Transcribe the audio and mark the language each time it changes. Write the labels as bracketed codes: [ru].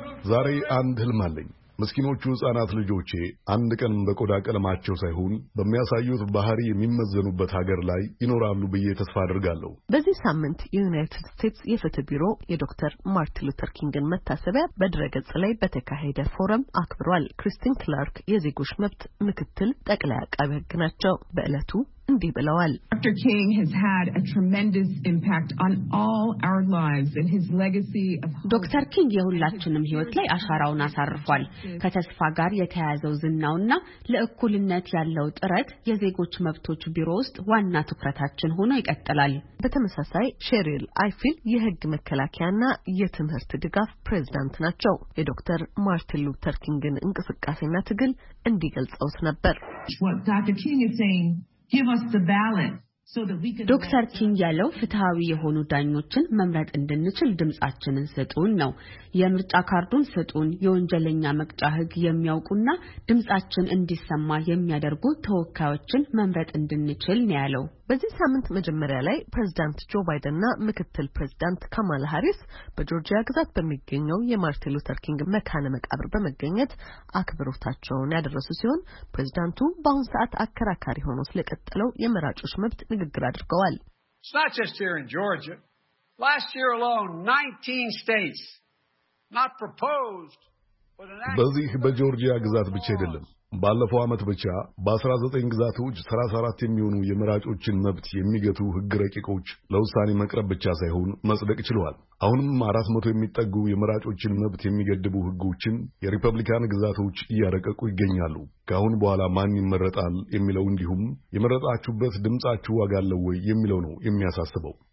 [am] ዛሬ አንድ ህልም አለኝ። ምስኪኖቹ ህፃናት ልጆቼ አንድ ቀን በቆዳ ቀለማቸው ሳይሆን በሚያሳዩት ባህሪ የሚመዘኑበት ሀገር ላይ ይኖራሉ ብዬ ተስፋ አድርጋለሁ። በዚህ ሳምንት ዩናይትድ ስቴትስ የፍትህ ቢሮ የዶክተር ማርቲን ሉተር ኪንግን መታሰቢያ በድረገጽ ላይ በተካሄደ ፎረም አክብሯል። ክሪስቲን ክላርክ የዜጎች መብት ምክትል ጠቅላይ አቃቤ ህግ ናቸው። በእለቱ እንዲህ ብለዋል። [en] Dr. King has had a tremendous impact on all our lives and his legacy of Dr. [am] King የሁላችንም ህይወት ላይ አሻራውን አሳርፏል። ከተስፋ ጋር የተያዘው ዝናውና ለእኩልነት ያለው ጥረት የዜጎች መብቶች ቢሮ ውስጥ ዋና ትኩረታችን ሆኖ ይቀጥላል። በተመሳሳይ ሼሪል አይፊል የህግ መከላከያና የትምህርት ድጋፍ ፕሬዝዳንት ናቸው። የዶክተር ማርቲን ሉተር ኪንግን እንቅስቃሴና ትግል እንዲገልጸውስ ነበር። [en] Give us the balance so that we can [am] ዶክተር ኪንግ ያለው ፍትሃዊ የሆኑ ዳኞችን መምረጥ እንድንችል ድምጻችንን ስጡን ነው። የምርጫ ካርዱን ስጡን። የወንጀለኛ መቅጫ ህግ የሚያውቁና ድምጻችን እንዲሰማ የሚያደርጉ ተወካዮችን መምረጥ እንድንችል ነው ያለው። በዚህ ሳምንት መጀመሪያ ላይ ፕሬዝዳንት ጆ ባይደንና ምክትል ፕሬዝዳንት ካማላ ሃሪስ በጆርጂያ ግዛት በሚገኘው የማርቲን ሉተር ኪንግ መካነ መቃብር በመገኘት አክብሮታቸውን ያደረሱ ሲሆን ፕሬዝዳንቱ በአሁን ሰዓት አከራካሪ ሆኖ ስለቀጠለው የመራጮች መብት ንግግር አድርገዋል። [en] It's not just here in Georgia. Last year alone, 19 states not proposed. [am] በዚህ በጆርጂያ ግዛት ብቻ አይደለም። ባለፈው አመት ብቻ በ19 ግዛቶች 34 የሚሆኑ የመራጮችን መብት የሚገቱ ህግ ረቂቆች ለውሳኔ መቅረብ ብቻ ሳይሆን መጽደቅ ችለዋል። አሁንም 400 የሚጠጉ የመራጮችን መብት የሚገድቡ ህጎችን የሪፐብሊካን ግዛቶች እያረቀቁ ይገኛሉ። ከአሁን በኋላ ማን ይመረጣል የሚለው እንዲሁም የመረጣችሁበት ድምጻችሁ ዋጋ አለው ወይ የሚለው ነው የሚያሳስበው።